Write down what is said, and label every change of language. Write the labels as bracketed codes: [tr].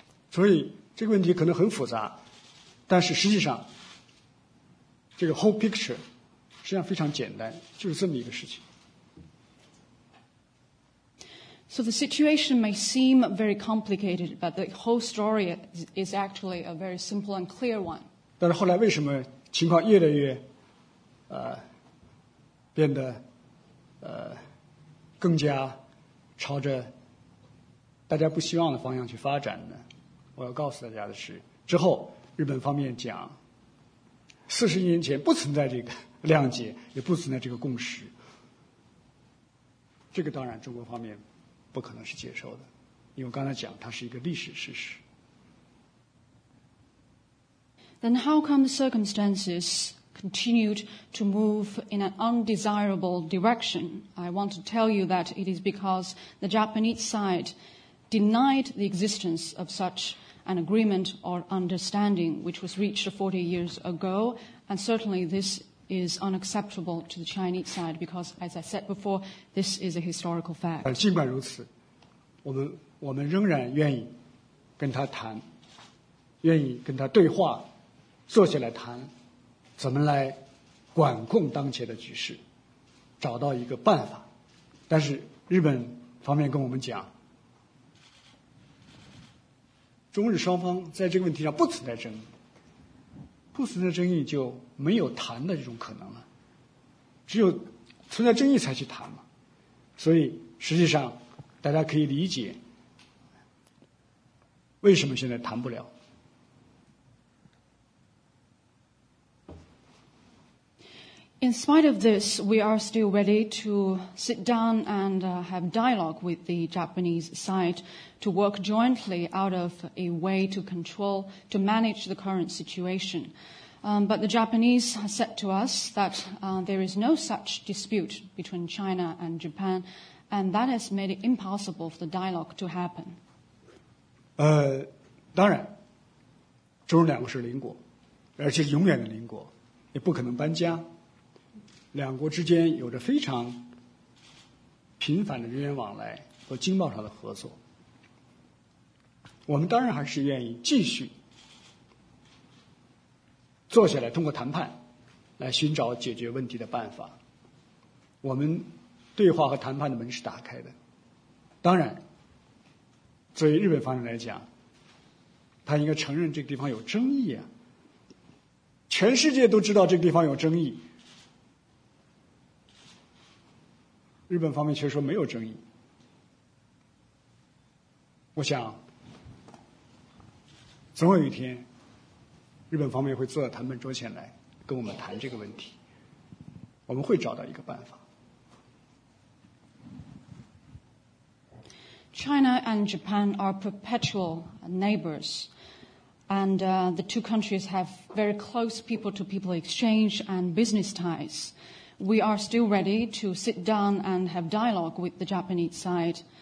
[zh] 所以这个问题可能很复杂，但是实际上，这个 [en] whole picture [zh] 实际上非常简单，就是这么一个事情。 [en] So the situation may seem very complicated, but the whole story is actually a very simple and clear one. [zh] 但是后来为什么情况越来越，变得，更加朝着大家不希望的方向去发展呢？我要告诉大家的是，之后日本方面讲，四十年前不存在这个谅解，也不存在这个共识。这个当然中国方面不可能是接受的，因为刚才讲它是一个历史事实。 [en] Then how come the circumstances continued to move in an undesirable direction? I want to tell you that it is because the Japanese side denied the existence of such an agreement or understanding which was reached 40 years ago, and certainly this is unacceptable to the Chinese side because, as I said before, this is a historical fact. [zh] 尽管如此，我们仍然愿意跟他谈，愿意跟他对话，坐下来谈，怎么来管控当前的局势，找到一个办法。但是日本方面跟我们讲，中日双方在这个问题上不存在争议，不存在争议就没有谈的这种可能了，只有存在争议才去谈嘛。所以实际上大家可以理解为什么现在谈不了。 [en] In spite of this, we are still ready to sit down and have dialogue with the Japanese side to work jointly out of a way to control, to manage the current situation. But the Japanese has said to us that there is no such dispute between China and Japan, and that has made it impossible for the dialogue to happen. [zh] 当然，中日两国是邻国，而且永远的邻国，也不可能搬家。两国之间有着非常频繁的人员往来和经贸上的合作，我们当然还是愿意继续坐下来通过谈判来寻找解决问题的办法。我们对话和谈判的门是打开的，当然作为日本方面来讲，他应该承认这个地方有争议啊，全世界都知道这个地方有争议，日本方面却说没有争议。我想总有一天日本方面会坐在谈判桌前来跟我们谈这个问题，我们会找到一个办法。 [en] China and Japan are perpetual neighbors, and the two countries have very close people-to-people exchange and business ties. We are still ready to sit down and have dialogue with the Japanese side.